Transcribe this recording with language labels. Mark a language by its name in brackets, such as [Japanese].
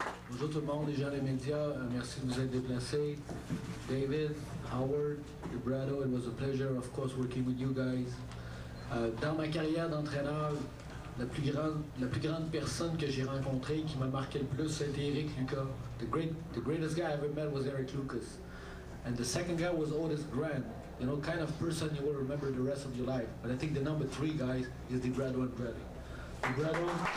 [French] Bonjour tout le monde, les gens des médias, merci de vous être déplacés. [English] David, Howard, Librado, it was a pleasure, of course, working with you guys. [French] Dans ma carrière d'entraîneur, La plus grande personne que j'ai rencontrée qui m'a marqué le plus, c'était Eric Lucas. [English] The greatest guy I ever met was Eric Lucas. And the second guy was Otis Grant. You know, kind of person you will remember the rest of your life. But I think the number three guy is Librado Andrade. Librado.